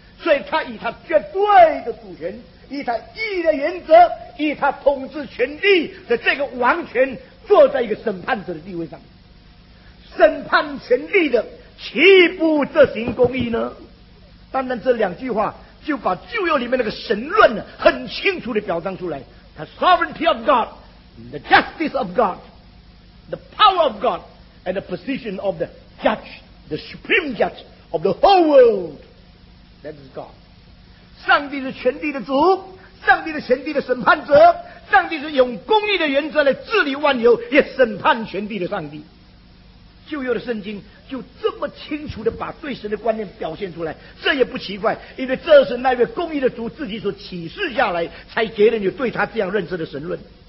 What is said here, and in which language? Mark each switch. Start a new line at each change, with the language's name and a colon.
Chinese: 所以他以他绝对的主权，以他义的原则，以他统治全地的这个王权，坐在一个审判者的地位上，审判全地的，岂不这行公义呢？单单这两句话就把旧约里面那个神论很清楚地表彰出来。
English: The sovereignty of God, the justice of God, the power of God, and the position of the judge, the supreme judge of the whole world, that is God.
Chinese: 上帝是全地的主，上帝是全地的审判者，上帝是用公义的原则来治理万有，也审判全地的上帝。旧约的圣经就这么清楚地把对神的观念表现出来，这也不奇怪，因为这是那位公义的主自己所启示下来，才给人有对他这样认知的神论。